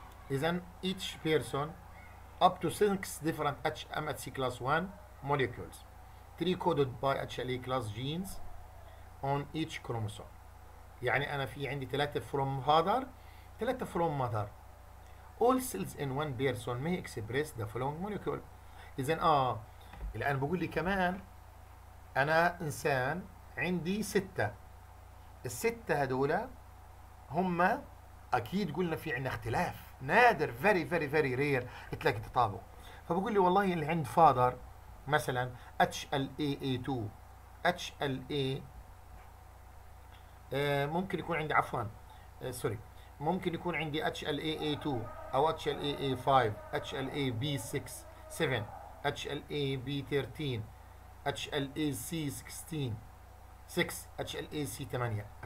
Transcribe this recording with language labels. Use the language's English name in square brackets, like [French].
[Arabic] اذا [English] each person up to 6 different HMHC class 1 molecules three coded by HLA class genes on each chromosome. [Arabic] يعني انا في عندي ثلاثة [English] from father [Arabic] ثلاثة [English] from mother. All cells in one person may express the following molecule. [Arabic] اذا الان بقول لي كمان انا انسان عندي ستة، الستة هدول هم اكيد قلنا في عندنا اختلاف نادر [English] very very very rare [Arabic] تلاقي تطابق. فبقول لي والله اللي عند فادر مثلا HLA-A2 HLA ممكن يكون عندي، عفوا سوري، ممكن يكون عندي HLA-A2 او HLA-A5 HLA-B6 7 HLA-B13 HLA-C16 6 HLA-C8.